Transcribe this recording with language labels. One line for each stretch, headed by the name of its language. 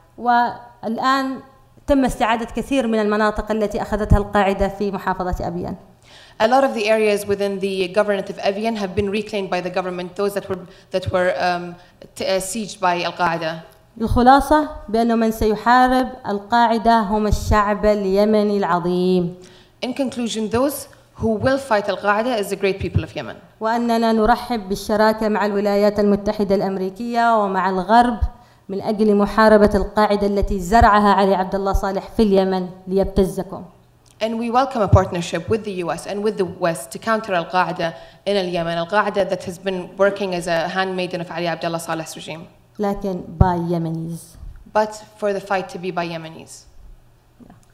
Arabic: والآن تم استعادة كثير من المناطق التي أخذتها القاعدة في محافظة أبيان.
English: A lot of the areas within the governorate of Evian have been reclaimed by the government, those that were sieged by Al-Qaeda.
Arabic: الخلاصة بأن من سيحارب القاعدة هم الشعب اليمني العظيم.
English: In conclusion, those who will fight Al-Qaeda is the great people of Yemen.
Arabic: وأننا نرحب بالشراكة مع الولايات المتحدة الأمريكية ومع الغرب من أجل محاربة القاعدة التي زرعها علي عبد الله صالح في اليمن ليبتزكم.
English: And we welcome a partnership with the US and with the West to counter Al-Qaeda in Yemen, Al-Qaeda that has been working as a handmaiden of Ali Abdullah Saleh's regime.
Arabic: لكن
English: by Yemenis. But for the fight to be by Yemenis. Yeah.